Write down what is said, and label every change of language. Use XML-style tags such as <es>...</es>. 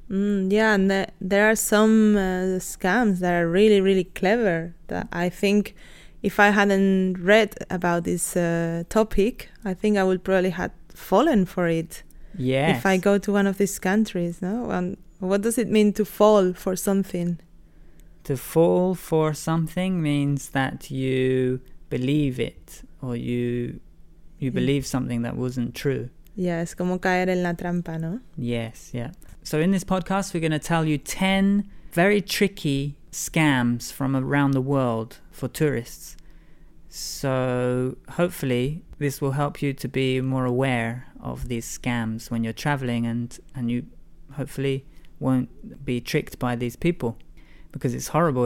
<en>Yeah, and there are some scams that are really, really clever that I think if I hadn't read about this topic, I think I would probably have fallen for it. Yes. If I go to one of these countries, no? And what does it mean to fall for something? To fall for something means that you believe it, or you believe something that wasn't true. Yeah,</en> <es>es como caer en la trampa, ¿no?</es> <en>Yes, yeah. So in this podcast, we're going to tell you 10 very tricky scams from around the world for tourists. So hopefully this will help you to be more aware of these scams when you're traveling, and you hopefully won't be tricked by these people. Because it's horrible.</en>